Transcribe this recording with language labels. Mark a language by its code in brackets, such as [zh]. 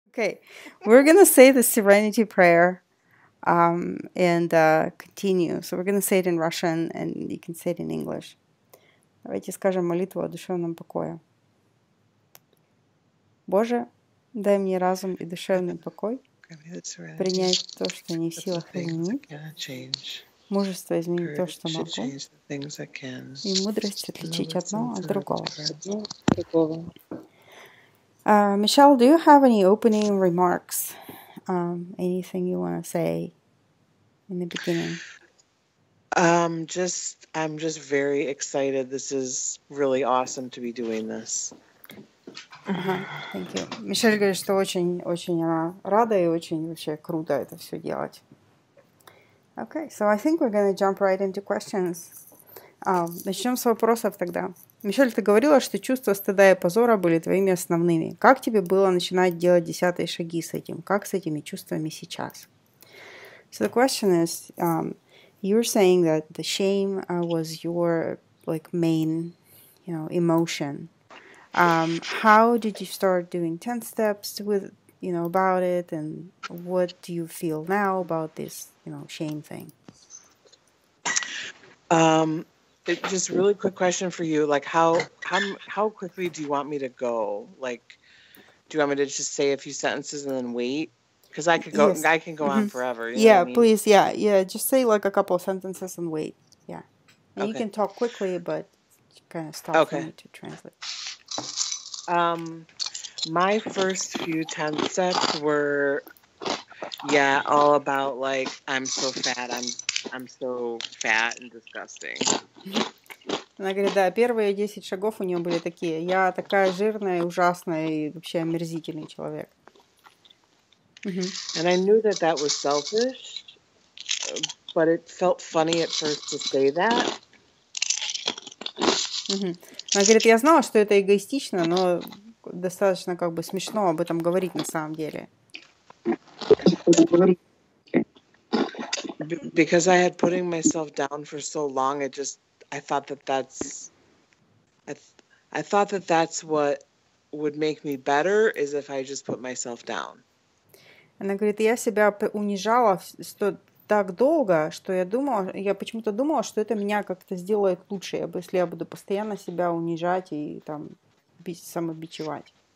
[en] Okay, we're gonna say the Serenity Prayer, and continue. So we're gonna say it in Russian, and you can say it in English. [ru] Давайте скажем молитву о душевном покое. Боже, дай мне разум и душевный покой принять то, что не в силах изменить, мужество изменить то, что могу, и мудрость отличить одно от другого. [en] Michelle, do you have any opening remarks? Anything you want to say in the beginning? I'm just very excited. This is really awesome to be doing this. Thank you. [ru] Michelle говорит, что очень-очень она рада и очень вообще круто это все делать. [en] Okay, so I think we're going to jump right into questions. [ru] Начнем с вопросов тогда. Мишель, ты говорила, что чувства стыда и позора были твоими основными. Как тебе было начинать делать десятые шаги с этим? Как с этими чувствами сейчас? [en] So the question is, you were saying that the shame was your like main, you know, emotion. How did you start doing 10 steps with, you know, about it, and what do you feel now about this, you know, shame thing? Just really quick question for you, like how quickly do you want me to go? Like, do you want me to just say a few sentences and then wait? Because I could go, yes. I can go on forever. Yeah, I mean? Please, yeah, yeah. Just say like a couple of sentences and wait. Yeah, and okay. You can talk quickly, but kind of stop okay. To translate. My first few 10 steps were, yeah, all about like I'm so fat. I'm so fat and disgusting. [ru] Она говорит, да, первые 10 шагов у нее были такие. Я такая жирная, ужасная и вообще омерзительный человек. [en] And I knew that that was selfish, but it felt funny at first to say that. [ru] Она говорит, я знала, что это эгоистично, но достаточно как бы смешно об этом говорить на самом деле. [en] Because I had putting myself down for so long, I thought that that's what would make me better is if I just put myself down. [ru] Она говорит, я себя унижала так долго, что я почему-то думала, что это меня как-то сделает лучше, если я буду постоянно себя унижать и там самобичевать.